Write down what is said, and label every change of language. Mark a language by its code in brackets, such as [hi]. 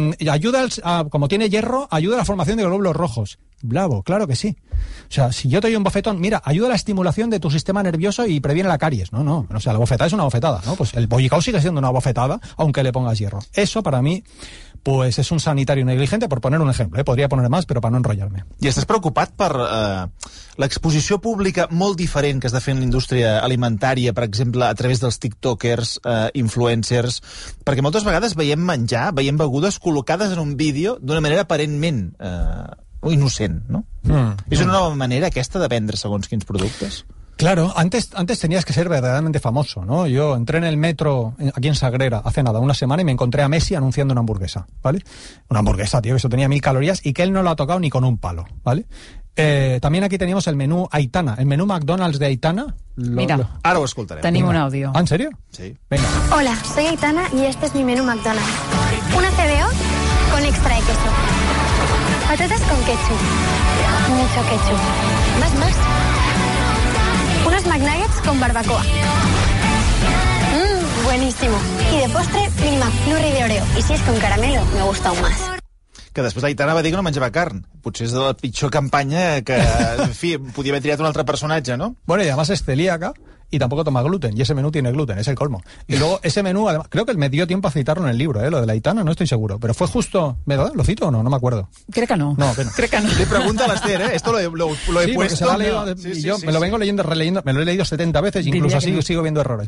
[es] Ayuda, como tiene hierro, ayuda a la formación de glóbulos rojos. Bravo, claro que sí. O sea, si yo te doy un bofetón, mira, ayuda a la estimulación de tu sistema nervioso y previene la caries. No, no, o sea, la bofetada es una bofetada, ¿no? Pues el bollicao sigue siendo una bofetada, aunque le pongas hierro. Eso, para mí, pues es un sanitario negligente, por poner un ejemplo, ¿eh? Podría poner más, pero para no enrollarme. [ca] I estàs preocupat per l'exposició pública molt diferent que està fent l'indústria alimentària, per exemple, a través dels tiktokers, influencers, perquè moltes vegades veiem menjar, veiem begudes col·locades en un vídeo d'una manera aparentment... innocent, ¿no? [es] Es una nueva manera que esta de vender según quins productes. Claro, antes tenías que ser verdaderamente famoso, ¿no? Yo entré en el metro aquí en Sagrera hace nada, una semana, y me encontré a Messi anunciando una hamburguesa, ¿vale? Una hamburguesa, tío, que eso tenía 1000 calorías y que él no lo ha tocado ni con un palo, ¿vale? También aquí teníamos el menú Aitana, el menú McDonald's de Aitana. Ahora lo escucharemos. Tenemos un audio. ¿En serio? Sí. Venga. Hola, soy Aitana y este es mi menú McDonald's. Una CBO con extra de queso. Patatas con ketchup. Mucho ketchup. Más, más. Unos McNuggets con barbacoa. Buenísimo. Y de postre, mi McFlurry de Oreo. Y si es con caramelo, me gusta aún más. [ca] Que després Aitana va dir que no menjava carn. Potser és de la pitjor campanya que, en fi, podia haver triat un altre personatge, no? [es] Bueno, y además es celíaca y tampoco toma gluten. Y ese menú tiene gluten, es el colmo. Y luego ese menú, además, creo que me dio tiempo a citarlo en el libro, ¿eh? Lo de la Aitana, no estoy seguro. Pero fue justo... ¿Me lo da? ¿Lo cito o no? No me acuerdo. Creo que no. No, pero... creo que no. Le pregunta a Esther, ¿eh? Esto lo he sí, puesto. Se lo ha leído, sí, yo sí, me sí, lo vengo sí. leyendo, releyendo. Me lo he leído 70 veces, incluso así no. Sigo viendo errores.